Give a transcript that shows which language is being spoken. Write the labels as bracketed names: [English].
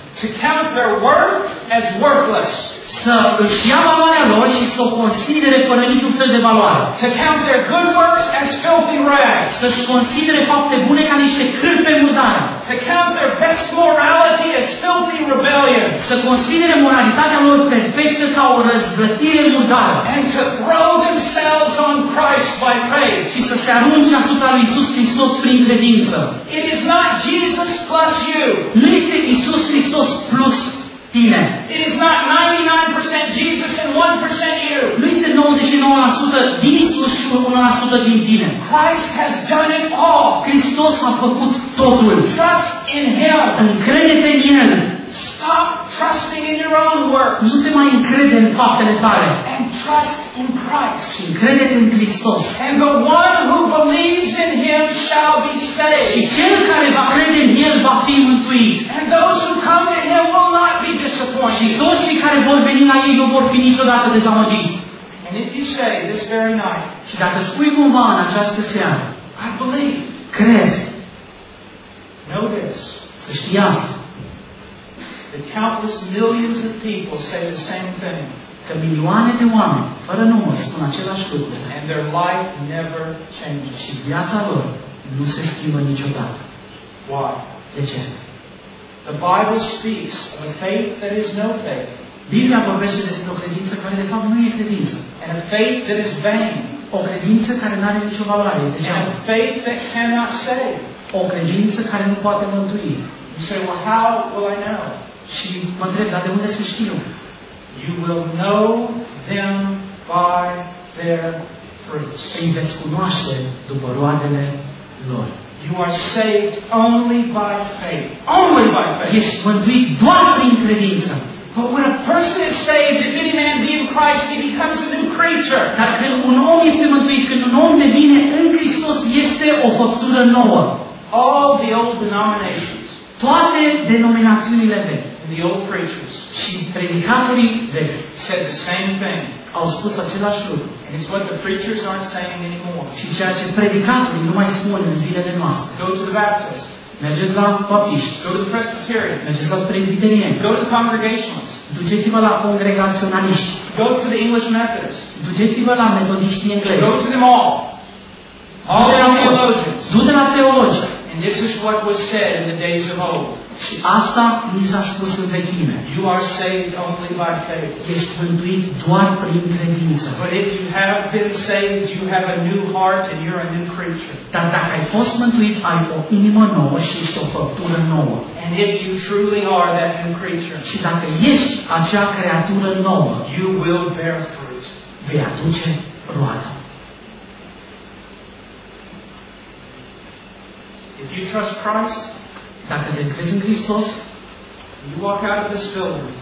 [English] To count their work as worthless. [Romanian] Să își ia valoarea lor și să o considere fără niciun fel de valoare. [English] To count their good works as filthy rags. [Romanian] Să își considere fapte bune ca niște cârpe murdare. [English] To count their best morality as filthy rebellion. [Romanian] Să considere moralitatea lor perfectă ca o răzvrătire murdară. [English] And to throw themselves on Christ by faith. [Romanian] Și să se arunce asupra lui Iisus Hristos prin credință. [English] It is not Jesus plus you. [Romanian] Nu este Iisus Hristos plus tine. [English] It is not 99% Jesus and 1% you. [Romanian] Nu este 99% din Iisus și 1% din tine. [English] Christ has done it all. [Romanian] Hristos a făcut totul. [English] Trust in him. [Romanian] Încrede-te în el. [English] Stop trusting in your own works. [Romanian] Nu te mai încrede în faptele tale. [English] And trust in Christ. [Romanian] Încrede-te în Hristos. [English] And the one who believes in him shall be saved. [Romanian] Și cel care va crede în el va fi mântuit. [English] And those who come to him will not be disappointed. [Romanian] Și toți cei care vor veni la ei nu vor fi niciodată dezamăgiți. [English] And if you say this very night, [Romanian] și dacă spui cumva în această seară, [English] I believe. [Romanian] Cred. [English] Know this. [Romanian] Să știi asta. [English] That countless millions of people say the same thing. [Romanian] Că milioane de oameni, fără număr, spun același lucru. [English] And their life never changes. [Romanian] Și viața lor nu se schimbă niciodată. [English] Why? [Romanian] De ce? [English] The Bible speaks of a faith that is no faith. [Romanian] Biblia vorbește despre o credință care de fapt nu e credință. [English] And a faith that is vain. [Romanian] O credință care nu are nicio valoare. [English] And a faith that cannot save. [Romanian] O credință care nu poate mântui. [English] You say, well, how will I know? [Romanian] Și mă întreb, dar de unde să știu? [English] You will know them by their fruits. [Romanian] Îi veți cunoaște după roadele lor. [English] You are saved only by faith. Only by faith. [Romanian] Ești mântuit doar prin credință. [English] But when a person is saved, if any man be in Christ, he becomes a new creature. [Romanian] Dar când un om este mântuit, când un om devine în Hristos, este o făptură nouă. [English] All the old denominations. [Romanian] Toate denominațiunile vechi. [English] the old preachers. [Romanian] Și predicatorii vechi [English] said the same thing. [Romanian] Au spus același lucru. [English] And it's what the preachers aren't saying anymore. [Romanian] Și ceea ce predicatorii nu mai spun în zilele noastre. [English] Go to the Baptist. [Romanian] Mergeți la baptiști. [English] Go to the Presbyterian. [Romanian] Mergeți la presbiterieni. [English] Go to the congregationalists. [Romanian] Duceți-vă la congregaționaliști. [English] Go to the English Methodists. [Romanian] Duceți-vă la metodiștii englezi. [English] Go to them all. All the theologians. [Romanian] Du-te la teologi. [English] And this is what was said in the days of old. [Romanian] Și asta mi s-a spus în vechime. [English] You are saved only by faith. [Romanian] Ești mântuit doar prin credință. [English] But if you have been saved, you have a new heart and you're a new creature. [Romanian] Dar dacă ai fost mântuit, ai o inimă nouă și ești o făptură nouă. [English] And if you truly are that new creature, [Romanian] și dacă ești acea creatură nouă, [English] you will bear fruit. [Romanian] Vei aduce roadă. [English] If you trust Christ, [Romanian] dacă te crezi în Hristos, [English] you walk out of this building,